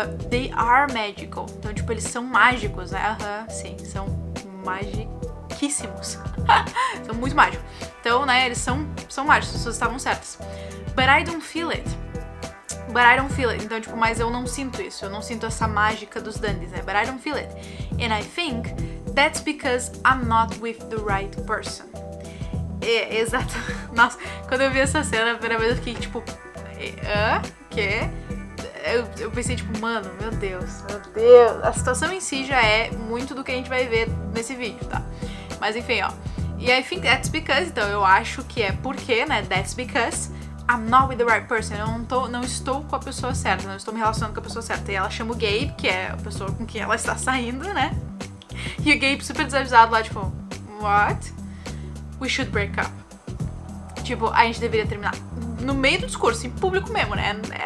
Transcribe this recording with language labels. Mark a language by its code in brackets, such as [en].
[en] They are magical. [pt] Então, tipo, eles são mágicos, né? Uh-huh, sim, são magiquíssimos. São muito mágicos. Então, né, eles são mágicos, as pessoas estavam certas. [en] But I don't feel it. [pt] But I don't feel it. Então, tipo, mas eu não sinto isso. Eu não sinto essa mágica dos Dundies, né? [en] But I don't feel it. And I think that's because I'm not with the right person. [pt] É, exato. Nossa, quando eu vi essa cena, a primeira vez eu fiquei tipo, hã? Quê? Eu pensei tipo, mano, meu Deus, meu Deus. A situação em si já é muito do que a gente vai ver nesse vídeo, tá? Mas enfim, ó. E [en] I think that's because, [pt] então eu acho que é porque, né? [en] That's because I'm not with the right person. [pt] Eu não estou com a pessoa certa, não estou me relacionando com a pessoa certa. E ela chama o Gabe, que é a pessoa com quem ela está saindo, né? E o Gabe super desavisado lá, tipo, [en] what? We should break up. [pt] Tipo, a gente deveria terminar. No meio do discurso, em público mesmo, né?